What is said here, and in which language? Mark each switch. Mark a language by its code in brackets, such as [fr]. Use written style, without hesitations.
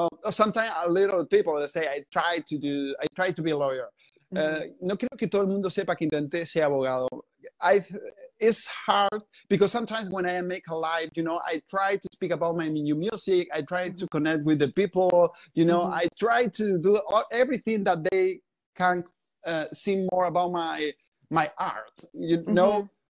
[en] Sometimes a little people they say I tried to be a lawyer. [es] No creo que todo el mundo sepa que intenté ser abogado. [en] It's hard because sometimes when I make a live, you know, I try to speak about my new music. I try to connect with the people, you know. I try to do everything that they can see more about my art, you know.